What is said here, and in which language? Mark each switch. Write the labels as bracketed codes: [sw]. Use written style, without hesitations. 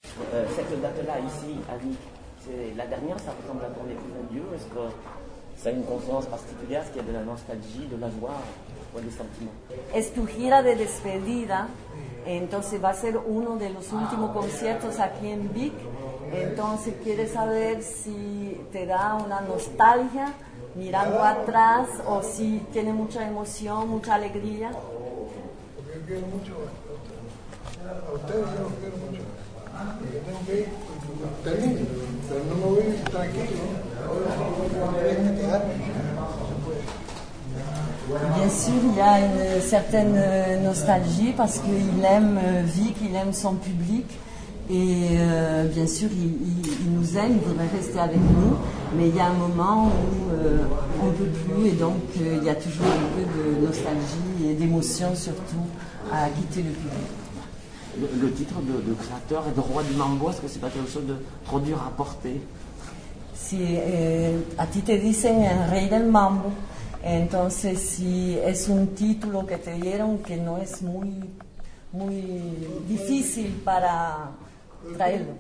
[fr] cette date-là ici, à Vic, c'est la dernière, ça ressemble à ton épouse à Dieu. Est-ce que ça a une conscience particulière? Est-ce qu'il y a de la nostalgie, de la joie ou des sentiments? [es] Es tu gira de despedida, entonces va a ser uno de los últimos conciertos aquí en Vic. Entonces quieres saber si te da una nostalgia mirando atrás o si tiene mucha emoción, mucha alegría. Porque yo quiero mucho a ustedes, yo los quiero mucho. Yo tengo que ir, termino, pero no me voy a ir tranquilo. Ahora solo voy a tener que quedarme. [fr] Bien sûr, il y a une certaine nostalgie parce qu'il aime Vic, il aime son public. Et bien sûr, il nous aime, il voudrait rester avec nous. Mais il y a un moment où on ne peut plus et donc il y a toujours un peu de nostalgie et d'émotion surtout à quitter le public. Le titre de créateur et de roi du mambo, est-ce que ce n'est pas quelque chose de trop dur à porter? [es] Si, a ti te dicen el rey del mambo. Entonces, si es un título que te dieron que no es muy, muy difícil para traerlo.